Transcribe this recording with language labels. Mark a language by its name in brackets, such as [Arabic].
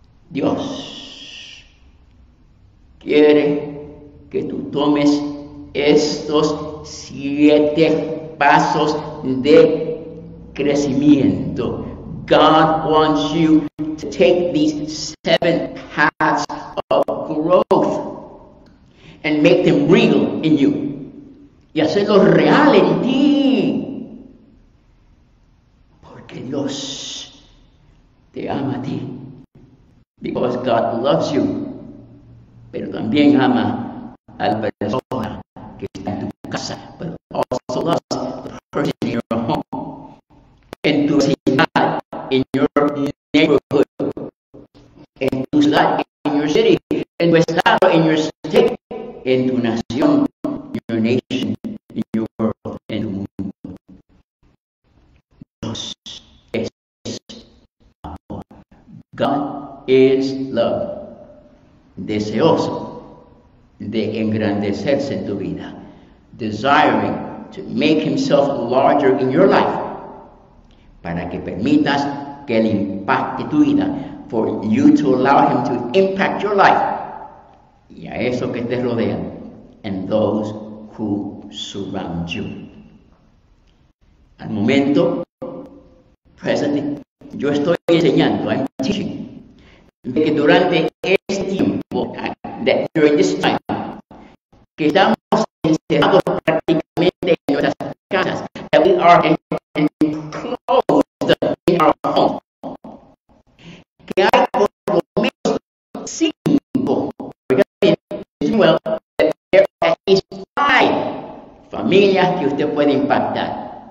[Spanish] Dios quiere que tú tomes estos 7 pasos de crecimiento. [English] God wants you to take these 7 paths of growth and make them real in you. [Spanish] Y hacerlo real en ti. Porque Dios te ama a ti. [English] Because God loves you. [Spanish] Pero también ama a la persona que está en tu casa. [English] But also loves the person in your home. [Spanish] En tu vecindad. [English] In your neighborhood. [Spanish] En tu ciudad. [English] In your city. [Spanish] En tu estado, [English] in your state, [Spanish] en tu nación, [English] in your nation, in your world, [Spanish] en tu mundo. Dios es amor. [English] God is love. [Spanish] Deseoso de engrandecerse en tu vida. [English] Desiring to make himself larger in your life. [Spanish] Para que permitas que él impacte tu vida. [English] For you to allow him to impact your life. [Spanish] Y a eso que te rodea, [English] and those who surround you. [Spanish] Al momento [English] Presently, [Spanish] yo estoy enseñando, [English] I'm teaching, [Spanish] de que durante este tiempo, [English] that during this time, [Spanish] que estamos encerrados prácticamente en nuestras casas, [English] that we are enclosed in our home, [Spanish] que hay por lo menos cinco, [English] regarding, well, that there are at least five [Spanish] familias que usted puede impactar.